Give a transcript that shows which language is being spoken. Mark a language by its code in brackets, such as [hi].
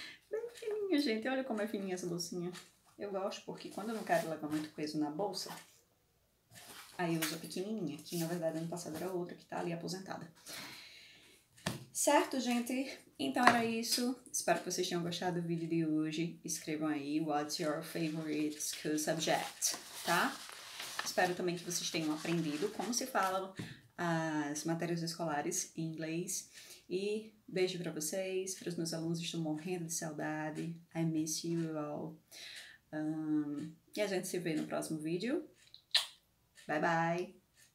[pt] Bem fininha, gente. Olha como é fininha essa bolsinha. Eu gosto porque quando eu não quero levar muito peso na bolsa, aí eu uso a pequenininha, que na verdade ano passado era outra que tá ali aposentada. Certo, gente? Então era isso. Espero que vocês tenham gostado do vídeo de hoje. Escrevam aí: [en] What's your favorite school subject? [pt] Tá? Espero também que vocês tenham aprendido como se falam as matérias escolares em inglês. E beijo pra vocês, para os meus alunos, estou morrendo de saudade. [en] I miss you all. [pt] E a gente se vê no próximo vídeo. Bye bye!